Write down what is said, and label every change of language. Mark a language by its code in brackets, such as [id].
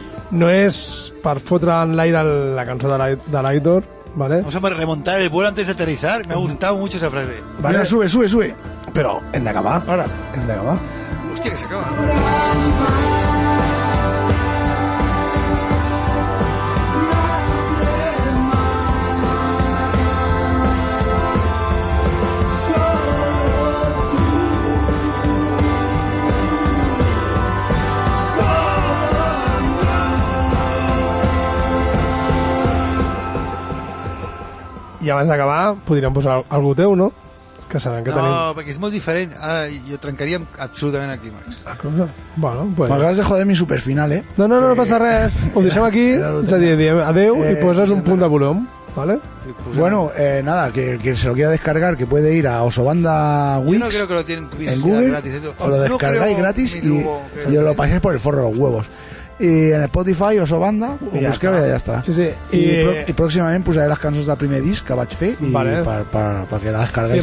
[ca] No és per fotre en l'aire la cançó de l'Aitor, ¿vale? [es] Vamos a remontar el vuelo antes de aterrizar. Me ha gustado mucho esa frase. Vale, mira, sube. [ca] Però hem d'acabar. Ara, hem d'acabar. Hòstia, que s'acaba. I abans d'acabar, podríem posar algú teu, no? Que sabem que no, tenim... No, perquè és molt diferent. Ara jo trencaríem absolutament aquí, Max. Bueno, pues... M'acabes de joder mi superfinal, eh? No, passa res. Ho deixem aquí, és a dir, diem adeu i poses un punt de volum, ¿vale? [es] Bueno, nada, que el que se lo quiera descargar, que puede ir a Osobanda Wix. Yo no creo que lo tienen gratis. En Google, gratis, o lo descargáis no gratis y, Google, y os lo paséis por el forro de los huevos. [ca] I en Spotify o Sobanda ho busqueu i ja està. Sí, sí. I pròximament posaré les cançons del primer disc que vaig fer i vale. perquè la descarregueix.